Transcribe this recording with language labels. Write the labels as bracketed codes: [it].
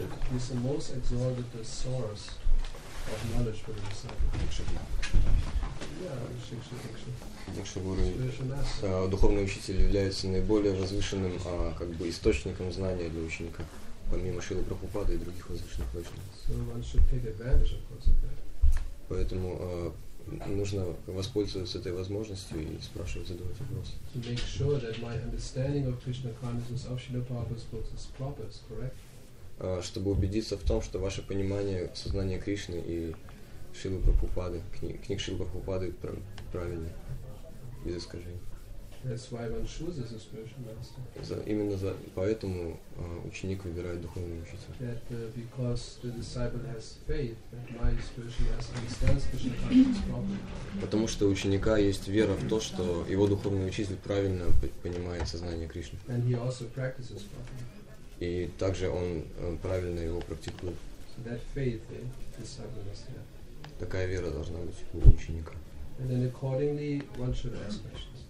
[en] He is the most exalted source of knowledge for the disciple. [ru] Духовный учитель является наиболее возвышенным источником знания для ученика, помимо Шрилы Прабхупады и других возвышенных вайшнавов. Поэтому нужно воспользоваться этой возможностью и спрашивать, задавать вопросы. [en] To make sure that my understanding of Krishna consciousness of Srila Prabhupada's books is proper, is correct. [ru] Чтобы убедиться в том, что ваше понимание сознания Кришны и Шрилы Прабхупады, книг Шрилы Прабхупады правильно, без искажений. [en] That's why one chooses a spiritual master. [ru] Поэтому ученик выбирает духовного учителя. [en] That because the disciple has faith that my spiritual master understands Krishna consciousness properly. [ru] Потому что у ученика есть вера в то, что его духовный учитель правильно понимает сознание Кришны. [en] And he also practices properly. [ru] И также он правильно его практикует. [en] So that faith the disciple must have. [ru] Такая вера должна быть у ученика. [en] And then accordingly one should ask questions.